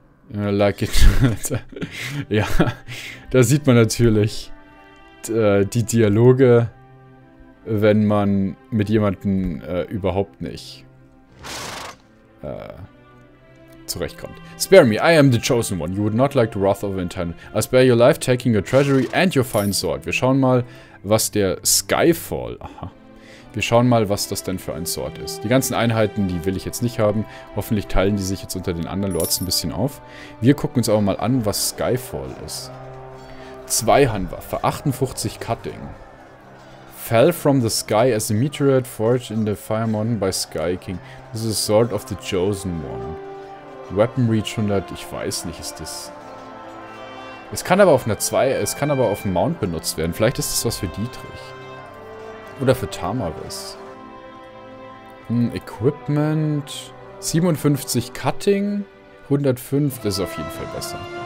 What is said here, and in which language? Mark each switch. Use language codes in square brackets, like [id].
[en] Like it. [de] Ja, da sieht man natürlich die Dialoge, wenn man mit jemandem überhaupt nicht zurechtkommt. [en] Spare me, I am the chosen one. You would not like the wrath of an eternal. I spare your life, taking your treasury and your fine sword. [de] Wir schauen mal, was der Skyfall... Aha. Wir schauen mal, was das denn für ein Sword ist. Die ganzen Einheiten, die will ich jetzt nicht haben. Hoffentlich teilen die sich jetzt unter den anderen Lords ein bisschen auf. Wir gucken uns aber mal an, was Skyfall ist. Zweihandwaffe, 58 Cutting. [en] Fell from the sky as a meteorite forged in the Fire Mountain by Sky King. This is a Sword of the Chosen One. [de] Weapon Reach 100, ich weiß nicht, ist das... Es kann aber auf einer 2, es kann aber auf dem Mount benutzt werden. Vielleicht ist das was für Dietrich. Oder für Tamaris. Equipment... 57 Cutting, 105, das ist auf jeden Fall besser.